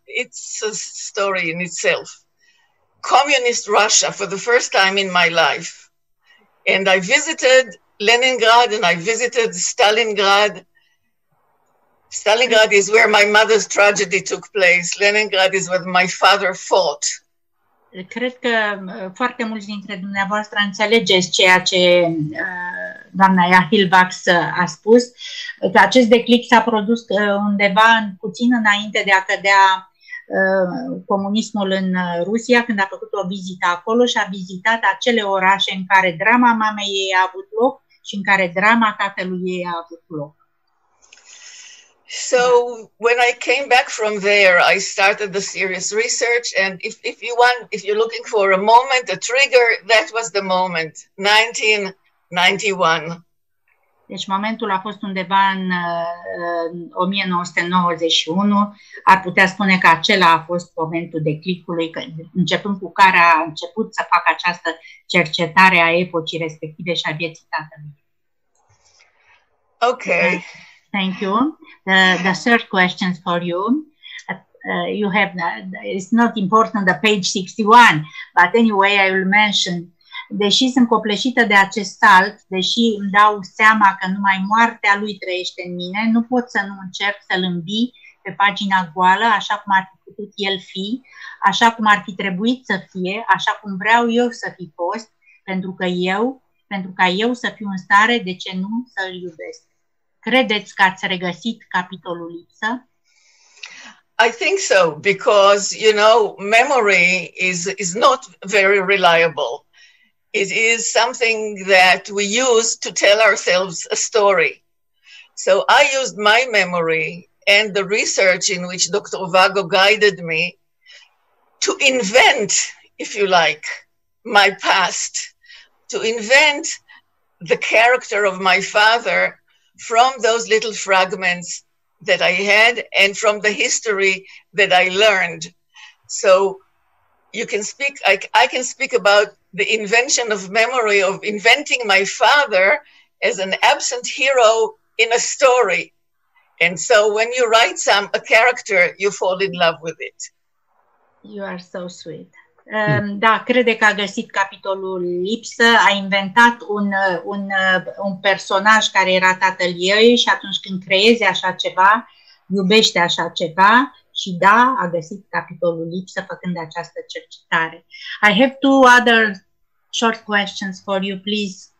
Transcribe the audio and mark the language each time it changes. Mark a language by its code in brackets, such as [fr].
[en] It's a story in itself. Communist Russia for the first time in my life. And I visited Leningrad and I visited Stalingrad. Stalingrad is where my mother's tragedy took place. Leningrad is where my father fought. [ro] Cred că foarte mulți dintre dumneavoastră înțelegeți ceea ce doamna Yahil Vax a spus. Că acest declic s-a produs undeva puțin înainte de a cădea comunismul în Rusia, când a făcut o vizită acolo și a vizitat acele orașe în care drama mamei ei a avut loc și în care drama tatălui ei a avut loc. [en] So when I came back from there, I started the serious research, and if you're looking for a moment, a trigger, that was the moment, 1991. [ro] Deci momentul a fost undeva în 1991, ar putea spune că acela a fost momentul declicului, începând cu care a început să facă această cercetare a epocii respective și a vieții tatălui. [en] Okay. Thank you. The third question for you. You have, it's not important, the page 61, but anyway, I will mention. [ro] Deși sunt copleșită de acest salt, deși îmi dau seama că numai moartea lui trăiește în mine, nu pot să nu încerc să-l îmbii pe pagina goală, așa cum ar fi putut el fi, așa cum ar fi trebuit să fie, așa cum vreau eu să fi fost, pentru ca eu să fiu în stare, de ce nu, să-l iubesc. Credeți că ați regăsit capitolul lipsă? [en] I think so, because, you know, memory is not very reliable. It is something that we use to tell ourselves a story. So I used my memory and the research in which Dr. Vago guided me to invent, if you like, my past, to invent the character of my father from those little fragments that I had and from the history that I learned. So you can speak, I can speak about the invention of memory, of inventing my father as an absent hero in a story. And so when you write some a character, you fall in love with it. You are so sweet. [ro] Da, crede că a găsit capitolul lipsă, a inventat un personaj care era tatăl ei și atunci când creezi așa ceva, iubește așa ceva și da, a găsit capitolul lipsă făcând această cercetare. [en] I have two other short questions for you, please.